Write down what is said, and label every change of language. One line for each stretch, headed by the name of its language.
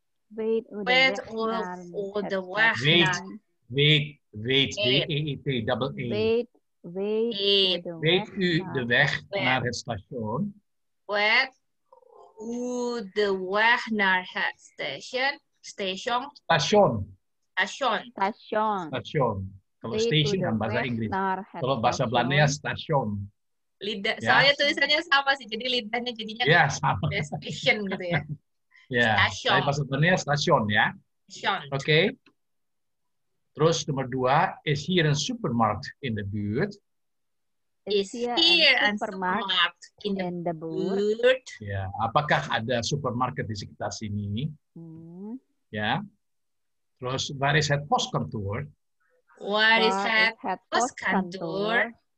Dutch: Weet u de weg naar het station?
English: Weet W-E-E-T, double E.
Dutch: Weet u de weg naar het station? Weet u de weg naar het station? Station. Station. Station. Station. Station.
Indonesian: Kalau station kan bahasa Inggris. Kalau bahasa Belanda ya station. Lidah. Yeah. Soalnya tulisannya sama sih. Jadi lidahnya jadinya yeah, sama. Station gitu ya. Yeah.
Dutch: Station.
Indonesian: Tapi bahasa Belanda station ya.
Dutch: Station.
Indonesian: Oke. Okay. Terus nomor dua.
English: Is here a supermarket in the buurt? Is here a supermarket in the buurt? Ya. Yeah.
Indonesian: Apakah ada supermarket di sekitar sini? Ya.
English: Terus, where is head post kantoor? Where is head post kantoor?